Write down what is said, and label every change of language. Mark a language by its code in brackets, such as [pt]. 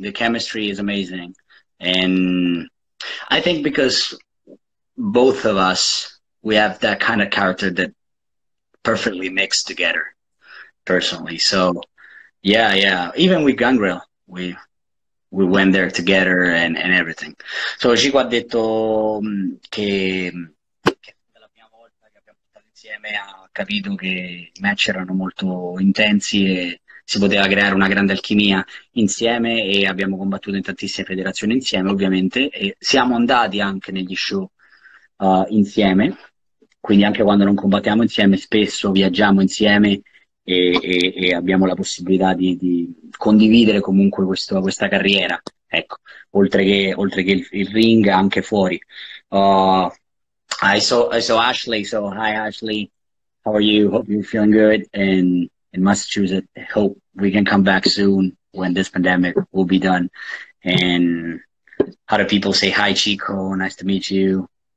[en] The chemistry is amazing. And I think because both of us, we have that kind of character that perfectly mixed together, personally. So, yeah. Even with Gangrel, we went there together and everything. [it] So, Chico ha detto che la prima volta che abbiamo stato insieme ha capito che i match erano molto intensi e si poteva creare una grande alchimia insieme, e abbiamo combattuto in tantissime federazioni insieme, ovviamente, e siamo andati anche negli show insieme, quindi anche quando non combattiamo insieme spesso viaggiamo insieme e abbiamo la possibilità di condividere comunque questa carriera, ecco, oltre che il ring, anche fuori. [en] I saw Ashley, so hi Ashley, how are you? Hope you're feeling good in Massachusetts. Hope we can come back soon when this pandemic will be done. And how do people say hi Chico, nice to meet you.